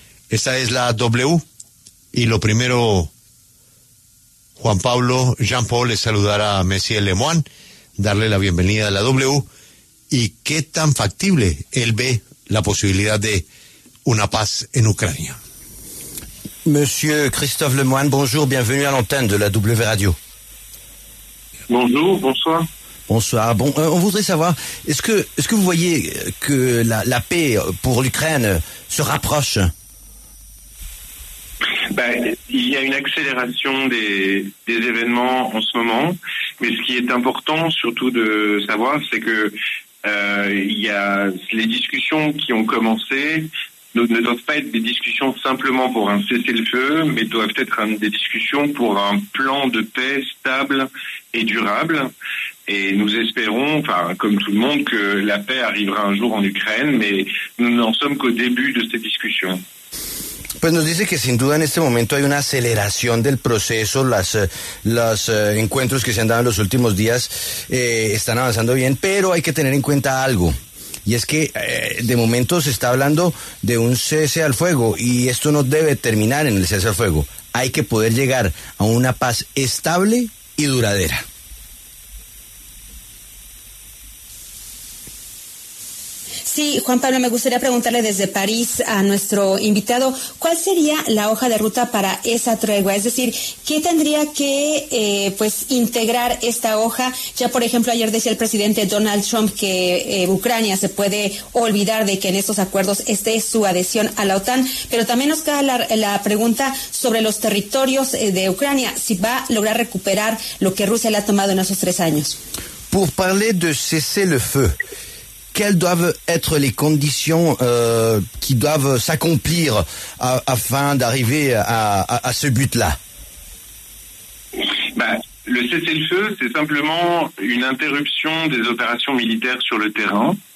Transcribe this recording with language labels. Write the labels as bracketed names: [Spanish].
[Spanish] Esta es la W, y lo primero, Juan Pablo, Jean-Paul, es saludar a Monsieur Lemoine, darle la bienvenida a la W, y qué tan factible él ve la posibilidad de una paz en Ucrania. [French] Monsieur Christophe Lemoine, bonjour, bienvenue à l'antenne de la W Radio. Bonjour, bonsoir. Bonsoir. Bon, on voudrait savoir, est-ce que vous voyez que la paix pour l'Ukraine se rapproche? Ben, il y a une accélération des événements en ce moment, mais ce qui est important surtout de savoir, c'est que il y a les discussions qui ont commencé ne doivent pas être des discussions simplement pour un cessez-le-feu, mais doivent être des discussions pour un plan de paix stable et durable. Et nous espérons, enfin, comme tout le monde, que la paix arrivera un jour en Ukraine, mais nous n'en sommes qu'au début de ces discussions. [Spanish] Pues nos dice que sin duda en este momento hay una aceleración del proceso, los encuentros que se han dado en los últimos días están avanzando bien, pero hay que tener en cuenta algo, y es que de momento se está hablando de un cese al fuego, y esto no debe terminar en el cese al fuego, hay que poder llegar a una paz estable y duradera. Sí, Juan Pablo, me gustaría preguntarle desde París a nuestro invitado, ¿cuál sería la hoja de ruta para esa tregua? Es decir, ¿qué tendría que integrar esta hoja? Ya, por ejemplo, ayer decía el presidente Donald Trump que Ucrania se puede olvidar de que en estos acuerdos esté su adhesión a la OTAN, pero también nos queda la pregunta sobre los territorios de Ucrania, si va a lograr recuperar lo que Rusia le ha tomado en esos 3 años. [French] Pour parler de cesser le feu, quelles doivent être les conditions qui doivent s'accomplir afin d'arriver à ce but-là? Le cessez-le-feu, c'est simplement une interruption des opérations militaires sur le terrain.